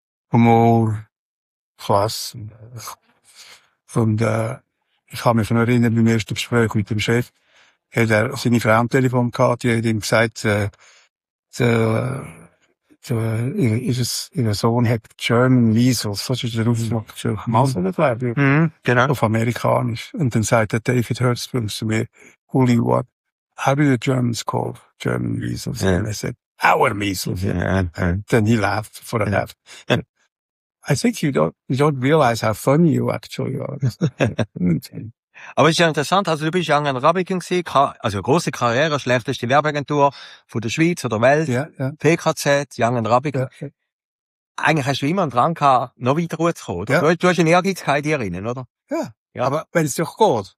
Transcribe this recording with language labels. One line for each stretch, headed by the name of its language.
German: Humor, klasse. Ich kann mich noch erinnern, beim ersten Gespräch mit dem Chef, hat er seine Frau am Telefon gehabt, die hat ihm gesagt, ihr Sohn hat German Measles, so ist der Ausdruck, auf Amerikanisch. Und dann sagt er, David Hertzberg zu mir, Uli, what?
English: How do the Germans call German Measles? Yeah. And I said, our Measles. Yeah. Then he laughed for a laugh. I think you don't realize how funny you actually are.
German: Aber es ist ja interessant, also du bist Young & Rubicon gewesen, also eine grosse Karriere, schlechteste Werbeagentur von der Schweiz oder Welt, PKZ, Young & Rubicon. Ja. Eigentlich hast du immer einen Drang gehabt, noch weiter rauszukommen, oder? Ja. Du hast eine Ehrgeizigkeit hier drin, oder? Ja. Aber wenn es doch geht.